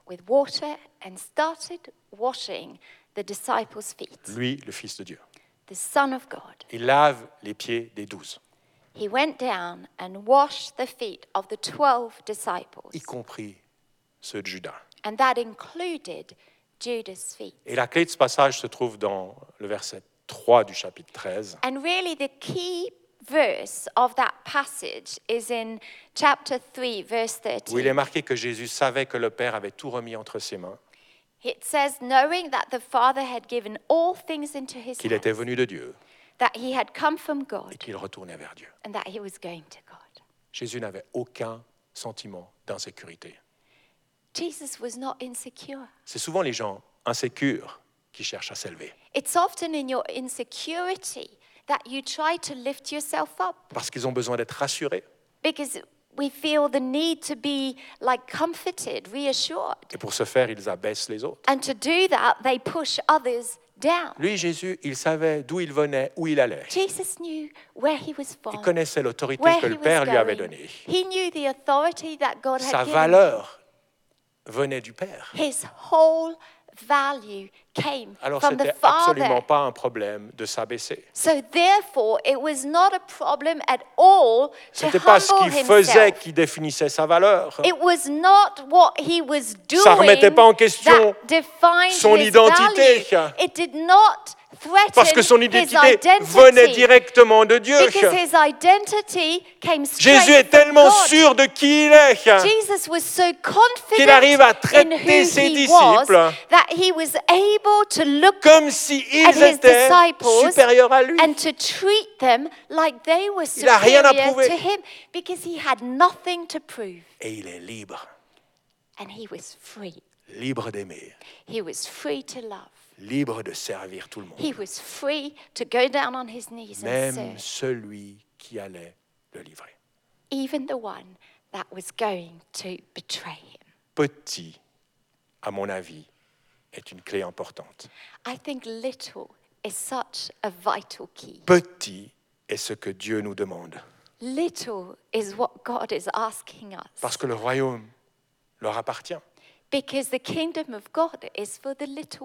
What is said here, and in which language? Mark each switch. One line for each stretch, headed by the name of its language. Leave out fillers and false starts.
English: with water and started washing the disciples' feet.
French: Lui, le Fils de Dieu.
English: The Son of God.
French: Il lave les pieds des 12.
English: He went down and washed the feet of the 12 disciples.
French: Y compris ceux de Judas.
English: And that included Judas' feet.
French: Et la clé de ce passage se trouve dans le verset 3 du chapitre 13.
English: And really the key verse of that passage is in chapter 3 verse 13.
French: Où il est marqué que Jésus savait que le Père avait tout remis entre ses mains.
English: It says, knowing that the Father had given all things into his hands.
French: Qu'il était venu de Dieu.
English: That he had come from God.
French: Et qu'il retournait vers Dieu.
English: And that he was going to God.
French: Jésus n'avait aucun sentiment d'insécurité.
English: Jesus was not insecure.
French: C'est souvent les gens insécures qui cherchent à s'élever.
English: It's often in your insecurity that you try to lift yourself up.
French: Parce qu'ils ont besoin d'être rassurés.
English: Because we feel the need to be like comforted, reassured.
French: Et pour ce faire, ils abaissent les autres.
English: And to do that, they push others down.
French: Lui, Jésus, il savait d'où il venait, où il allait.
English: Jesus knew where he was from.
French: Il connaissait l'autorité que le Père lui avait donnée.
English: He knew the authority that God had given.
French: Sa valeur venait du Père.
English: His whole value came
French: alors
English: from
French: c'était
English: the Father.
French: Absolument pas un problème de s'abaisser.
English: So therefore, it was not a problem at all to
French: c'était pas ce qu'il faisait qui définissait sa valeur.
English: It was not what he was doing.
French: Ça remettait pas en question son identité.
English: It did not threaten
French: parce que son identité venait directement de Dieu.
English: Because his identity came straight
French: Jésus est tellement sûr de qui il est
English: Jesus was so confident
French: qu'il arrive à traiter ses disciples
English: that he was able to look
French: comme s'ils étaient supérieurs à lui.
English: And to treat them like they were
French: il n'a rien à prouver.
English: To him because he had nothing to prove.
French: Et il est libre.
English: And he was free.
French: Libre d'aimer.
English: He was free to love.
French: Libre de servir tout le monde.
English: He was free to go down on his knees
French: même
English: and serve.
French: Celui qui allait le livrer.
English: Even the one that was going to betray him.
French: Petit, à mon avis, est une clé importante.
English: I think little is such a vital key.
French: Petit est ce que Dieu nous demande.
English: Little is what God is asking us.
French: Parce que le royaume leur appartient.
English: Because the kingdom of God is for the little